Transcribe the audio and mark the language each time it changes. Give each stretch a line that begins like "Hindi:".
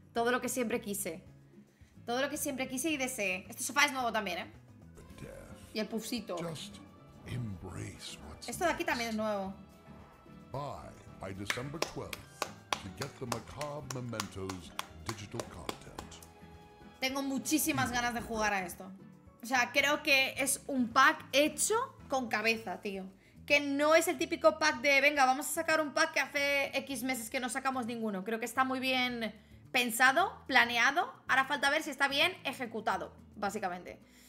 Spanish: Todo lo que siempre quise. Todo lo que siempre quise y deseé. Este sofá es nuevo también, Y el pufcito.
English: Just embrace what's
Spanish: Esto de aquí también es nuevo.
English: By December 12th, to get the Macabre Mementos digital content.
Spanish: Tengo muchísimas ganas de jugar a esto. O sea, creo que es un pack hecho con cabeza, tío. Que no es el típico pack de, venga, vamos a sacar un pack que hace X meses que no sacamos ninguno. Creo que está muy bien pensado, planeado. Ahora falta ver si está bien ejecutado, básicamente.